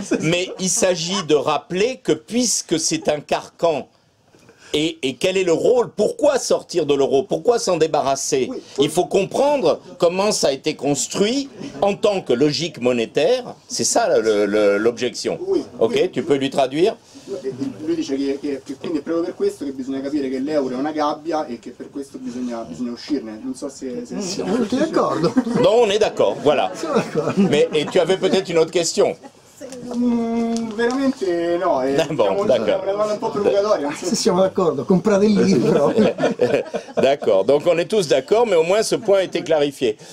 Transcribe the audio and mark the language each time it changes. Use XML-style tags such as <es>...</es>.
<fr>Mais il s'agit de rappeler que puisque c'est un carcan, et quel est le rôle? Pourquoi sortir de l'euro? Pourquoi s'en débarrasser? Il faut comprendre comment ça a été construit en tant que logique monétaire. C'est ça l'objection. Ok, tu peux lui traduire?</fr> <it>Lui dice che quindi è proprio per questo che bisogna capire che l'euro è una gabbia e che per questo bisogna uscirne. Non so se siamo tutti d'accordo.</it> <fr>No, on est d'accord, voilà. Mais et tu avais peut-être une autre question.</fr> <it>Veramente no,</it> <fr>bon, d'accord.</fr> <it>Un po' provocatoria. Se siamo d'accordo, comprate il libro.</it> <fr>D'accord. Donc on est tous d'accord, mais au moins ce point a été clarifié.</fr>